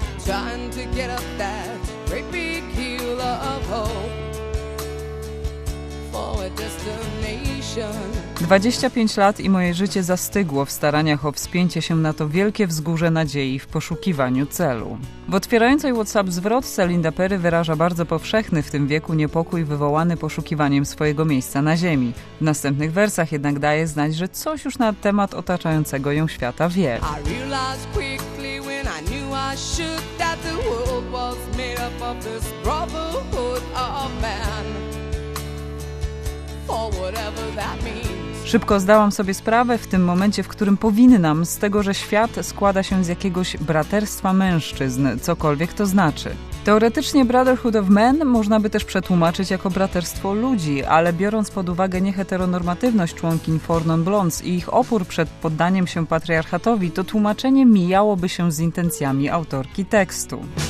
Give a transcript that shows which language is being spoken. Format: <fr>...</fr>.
<en>Trying to get up that great big hill of hope for a destination.</en> <pl>25 lat i moje życie zastygło w staraniach o wspięcie się na to wielkie wzgórze nadziei w poszukiwaniu celu. W otwierającej WhatsApp zwrotce Linda Perry wyraża bardzo powszechny w tym wieku niepokój wywołany poszukiwaniem swojego miejsca na ziemi. W następnych wersach jednak daje znać, że coś już na temat otaczającego ją świata wie.</pl> <en>I realized quickly when I knew I should that the world was made up of this brotherhood of man. For whatever that means.</en> <pl>Szybko zdałam sobie sprawę w tym momencie, w którym powinnam, z tego, że świat składa się z jakiegoś braterstwa mężczyzn, cokolwiek to znaczy. Teoretycznie</pl> <en>Brotherhood of Men</en> <pl>można by też przetłumaczyć jako braterstwo ludzi, ale biorąc pod uwagę nieheteronormatywność członkiń Four Non Blondes i ich opór przed poddaniem się patriarchatowi, to tłumaczenie mijałoby się z intencjami autorki tekstu.</pl>